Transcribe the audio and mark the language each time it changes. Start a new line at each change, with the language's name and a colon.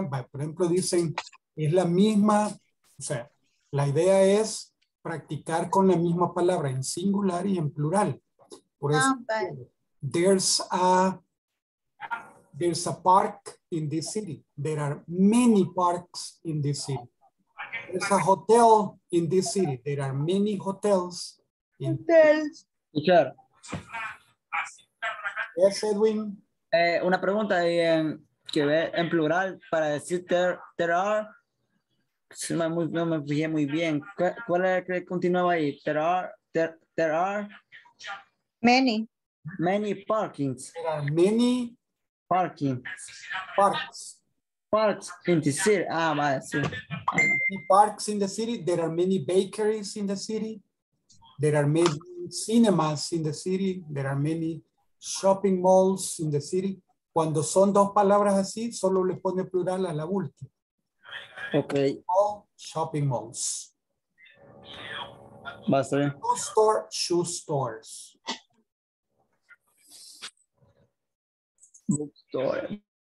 Spanish: Por ejemplo, dicen, es la misma, o sea, la idea es practicar con la misma palabra en singular y en plural. Por eso,
English: there's a park in this city. There are many parks in this city. There's a hotel in this city. There are many hotels. Hotels. Teacher. Yes, Edwin.
Spanish: Una pregunta ahí en, que ve en plural para decir
English: there are.
Spanish: Si no, no me fijé muy bien. ¿Cuál era que continuaba ahí?
English: There are. Many. Many parkings. There are many. Parking. Parks. Parks in the city. Ah, my,
Spanish: sí.
English: Parks in the city. There are many bakeries in the city. There are many cinemas in the city. There are many shopping malls in the city.
Spanish: Cuando son dos palabras así, solo le pone plural a la última.
English: Okay. All shopping malls.
Spanish: Basta.
English: Shoe stores. Bookstore.